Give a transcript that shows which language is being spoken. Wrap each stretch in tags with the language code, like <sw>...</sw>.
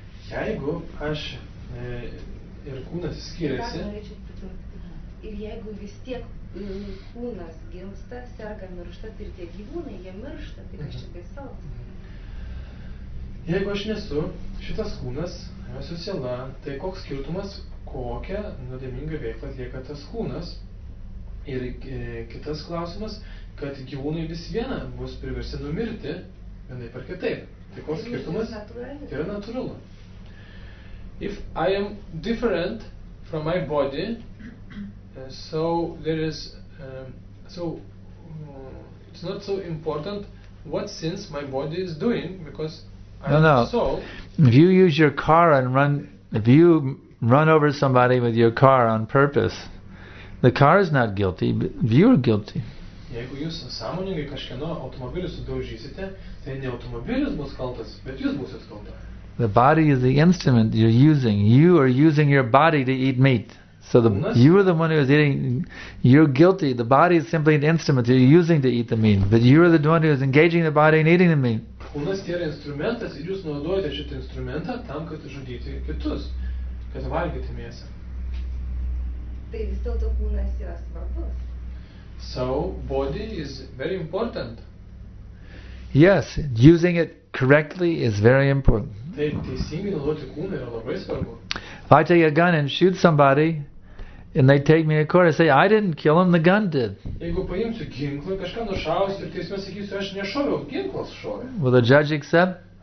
<lt>Jeigu aš nesu šitas kūnas, esu siela, tai koks skirtumas, kokią nuodėmingą veiklą atlieka tas kūnas? Ir kitas klausimas, kad gyvūnai vis viena bus priversti numirti vienaip ar kitaip. Tai koks skirtumas? Tai yra natūralu.</lt> <en>If I am different from my body, so there is it's not so important what sins my body is doing because I'm no. soul. If you use your car and run, if you run over somebody with your car on purpose, the car is not guilty, but you are guilty.</en> <lt>Jeigu jūs sąmoningai kažkieno automobilį sudaužysite, tai ne automobilis bus kaltas, bet jūs būsite kalta.</lt> <en>The body is the instrument you're using. You are using your body to eat meat. So you are the one who is eating. You're guilty. The body is simply an instrument you're using to eat the meat. But you are the one who is engaging the body and eating the meat.</en> <lt>Kūnas yra instrumentas ir jūs naudojate šitą instrumentą tam, kad žudyti kitus, kad valgyti mėsą. Tai vis dėlto kūnas yra svarbus.</lt> <en>So, body is very important. Yes, using it correctly is very important.</en> <lt>Taip, teisingai naudoti kūną yra labai svarbu.</lt> <en>If I take a gun and shoot somebody, And they take me to court. I say, I didn't kill him, the gun did. Will the judge accept?</en>